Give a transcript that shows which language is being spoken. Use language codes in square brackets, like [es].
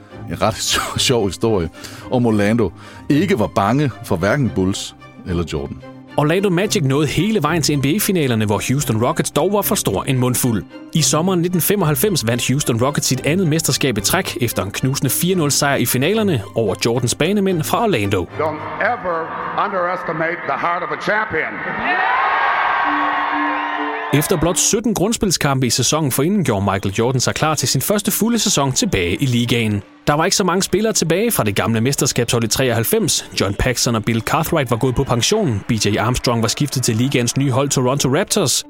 [da] En ret sjov historie om Orlando ikke var bange for hverken Bulls eller Jordan. Orlando Magic nåede hele vejen til NBA-finalerne, hvor Houston Rockets dog var for stor en mundfuld. I sommeren 1995 vandt Houston Rockets sit andet mesterskab i træk efter en knusende 4-0-sejr i finalerne over Jordans banemænd fra Orlando. [en] Don't ever underestimate the heart of a champion. [da] Efter blot 17 grundspilskampe i sæsonen forinden gjorde Michael Jordan sig klar til sin første fulde sæson tilbage i ligaen. Der var ikke så mange spillere tilbage fra det gamle mesterskabshold i 93. John Paxson og Bill Cartwright var gået på pension. BJ Armstrong var skiftet til ligaens nye hold Toronto Raptors.